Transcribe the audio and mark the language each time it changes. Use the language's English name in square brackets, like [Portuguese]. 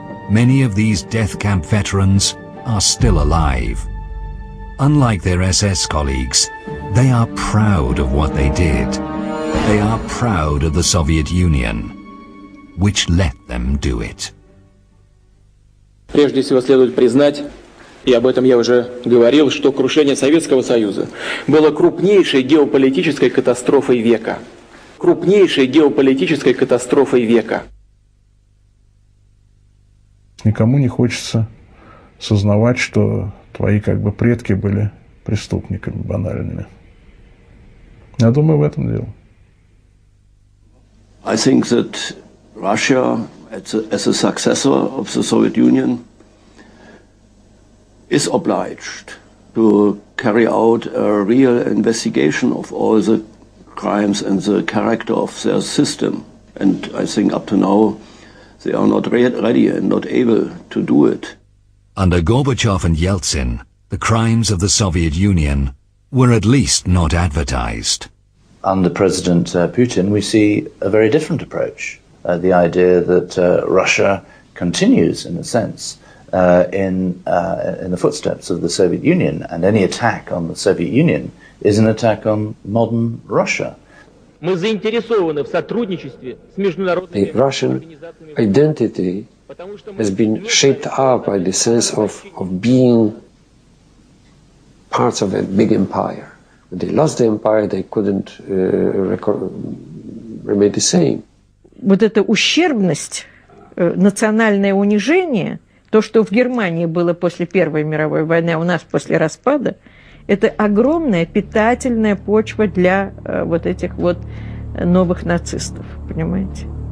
[English] Many of these death camp veterans are still alive. Unlike their SS colleagues, they are proud of what they did. They are proud of the Soviet Union, which let them do it. [Russian] Прежде всего следует признать, и об этом я уже говорил, что крушение Советского Союза было крупнейшей геополитической катастрофой века. Крупнейшей геополитической катастрофой века. Никому не хочется сознавать, что твои как бы предки были преступниками банальными. Я думаю, в этом дело. [English] I think that Russia, as a successor of the Soviet Union, is obliged to carry out a real investigation of all the crimes and the character of their system. And I think up to now, they are not ready and not able to do it. Under Gorbachev and Yeltsin, the crimes of the Soviet Union were at least not advertised. Under President Putin, we see a very different approach. The idea that Russia continues, in a sense, in the footsteps of the Soviet Union, and any attack on the Soviet Union is an attack on modern Russia. [Russian] Мы заинтересованы в сотрудничестве с международными [English] The Russian identity has been shaped up by the sense of being parts of a big empire. When they lost the empire, they couldn't remain the same. [Russian] Вот эта ущербность, национальное унижение, то, что в Германии было после Первой мировой войны, а у нас после распада, это огромная питательная почва для вот этих вот новых нацистов, понимаете?